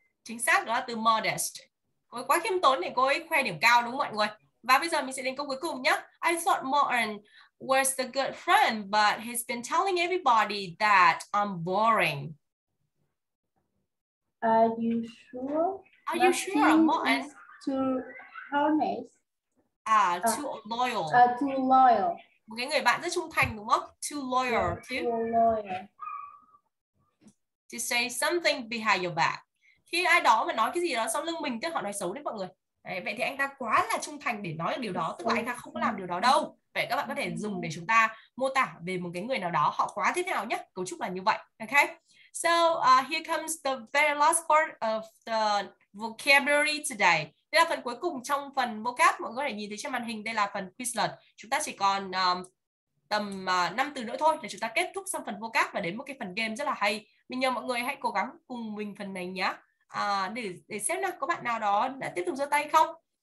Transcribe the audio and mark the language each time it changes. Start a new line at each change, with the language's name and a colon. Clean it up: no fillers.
Vietnamese: Chính xác đó là từ modest. Cô ấy quá khiêm tốn thì cô ấy khoe điểm cao đúng không mọi người? Và bây giờ mình sẽ đến câu cuối cùng nhé.
English: I thought Martin was a good friend, but he's been telling everybody that I'm boring. Are you sure? Are you sure? Martin is too honest. Too loyal.
Vietnamese: Một cái người bạn rất trung thành đúng không?
English: Too loyal. Yeah, too loyal. To say something behind your back.
Vietnamese: Khi ai đó mà nói cái gì đó sau lưng mình, tức họ nói xấu đấy mọi người. Đấy, vậy thì anh ta quá là trung thành để nói điều đó, tức là anh ta không làm điều đó đâu. Vậy các bạn có thể dùng để chúng ta mô tả về một cái người nào đó họ quá thế nào nhé. Cấu trúc là như vậy. Okay.
English: So here comes the very last part of the vocabulary today.
Vietnamese: Đây là phần cuối cùng trong phần vocab. Mọi người có thể nhìn thấy trên màn hình, đây là phần Quizlet. Chúng ta chỉ còn tầm 5 từ nữa thôi để chúng ta kết thúc xong phần vocab và đến một cái phần game rất là hay. Mình nhờ mọi người hãy cố gắng cùng mình phần này nhé. Để xem nào, có bạn nào đó đã tiếp tục giơ tay không?